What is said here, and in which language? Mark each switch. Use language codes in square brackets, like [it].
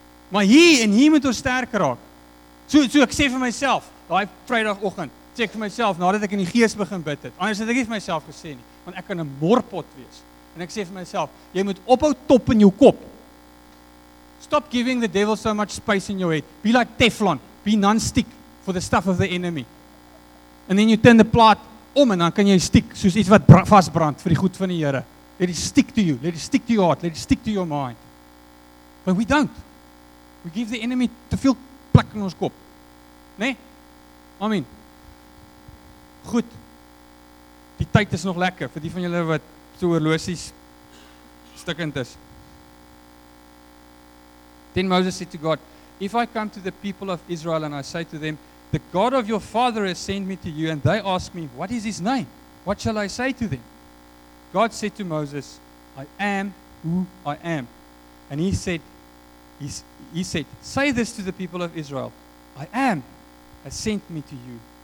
[af] Maar hier en hier moet ons sterker raak. So ek sê vir myself, daai Vrydagoggend, sê ek vir myself, nadat ek in die gees begin bid het, anders het ek nie vir myself gesê nie, want ek kan 'n morpot wees. En ek sê vir myself, jy moet ophou top in jou kop. [en] Stop giving the devil so much space in your head. Be like Teflon. Be non-stick for the stuff of the enemy. And then you turn the [af] plaat om en dan kan jy stiek soos iets wat vasbrand vir die goed van die Here. [en] Let it stick to you. Let it stick to your heart. Let it stick to your mind. But we don't. We give the enemy [af] te veel plek in ons kop. Nee? Amen. Goed. Die tyd is nog lekker vir die van julle wat so oorlosies stikkend is. [en] Then Moses said to God, if I come to the people of Israel and I say to them, the God of your father has sent me to you, and they ask me, what is his name? What shall I say to them? God said to Moses, I am who I am. And he said, say this to the people of Israel, I am has sent me to you.